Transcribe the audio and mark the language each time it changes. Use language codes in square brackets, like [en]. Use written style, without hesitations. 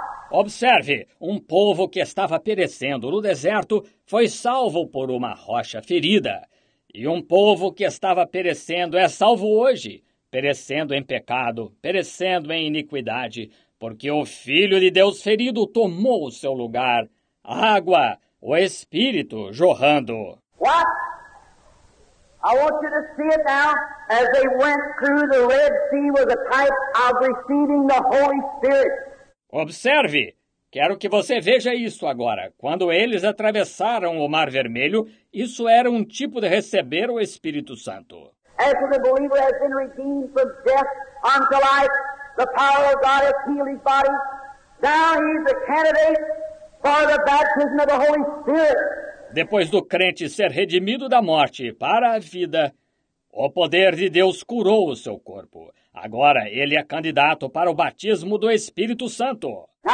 [pt] Observe, um povo que estava perecendo no deserto foi salvo por uma rocha ferida. E um povo que estava perecendo é salvo hoje, perecendo em pecado, perecendo em iniquidade, porque o Filho de Deus ferido tomou o seu lugar, água, o Espírito jorrando. [en] What? I want you to see it now, as they went through the Red Sea was a type of receiving the Holy Spirit. [pt] Observe! Quero que você veja isso agora. Quando eles atravessaram o Mar Vermelho, isso era um tipo de receber o Espírito Santo. [en] As the believer has been redeemed from death unto life, the power of God has healed his body, now he is a candidate for the baptism of the Holy Spirit. [pt] Depois do crente ser redimido da morte para a vida, o poder de Deus curou o seu corpo. Agora ele é candidato para o batismo do Espírito Santo.